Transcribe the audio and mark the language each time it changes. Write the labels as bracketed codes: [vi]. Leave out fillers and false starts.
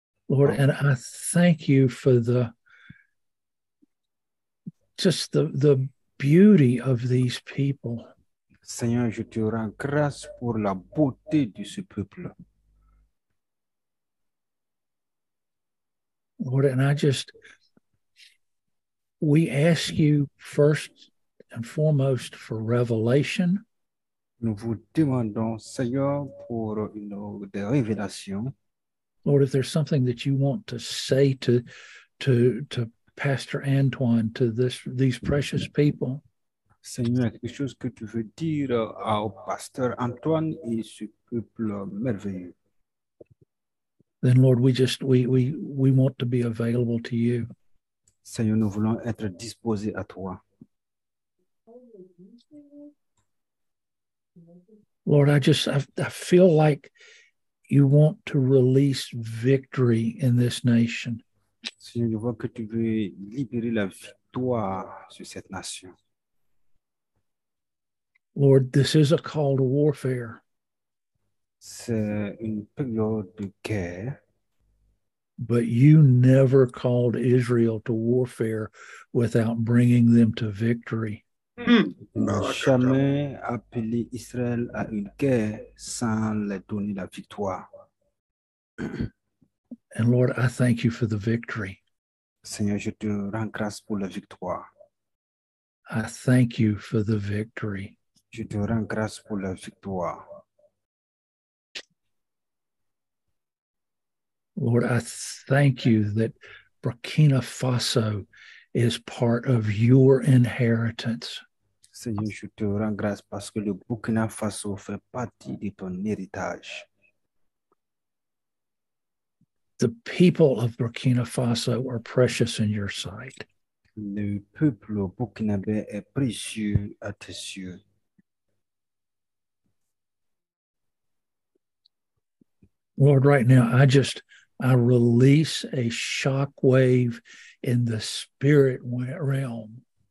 [en] Lord, and I thank you for the beauty of these people. [fr] Seigneur, je te rends grâce pour la beauté de ce peuple. [en] Lord, and we ask you first and foremost for revelation. [fr] Nous vous demandons, Seigneur, pour des révélations. [en] Lord, if there's something that you want to say to Pastor Antoine, to these precious people. [fr] Seigneur, quelque chose que tu veux dire au Pasteur Antoine et ce peuple merveilleux. [en] Then Lord, we want to be available to you. [fr] Seigneur, nous voulons être disposés à toi. [en] Lord, I feel like you want to release victory in this nation. [fr] Seigneur, je vois que tu veux libérer la victoire sur cette nation. [en] Lord, this is a call to warfare. [fr] C'est une période de guerre. [en] But you never called Israel to warfare without bringing them to victory. [fr] Jamais appelé Israël à une guerre sans leur donner la victoire. [en] And Lord, I thank you for the victory. [fr] Seigneur, je te rends grâce pour la victoire. [en] I thank you for the victory. [fr] Je te rends grâce pour la victoire. [en] Lord, I thank you that Burkina Faso is part of your inheritance. [fr] Seigneur, je te rends grâce parce que le Burkina Faso fait partie de ton héritage. [en] The people of Burkina Faso are precious in your sight. [fr] Le peuple burkinabé est précieux à tes yeux. [en] Lord, right now, I release a shockwave in the spirit realm.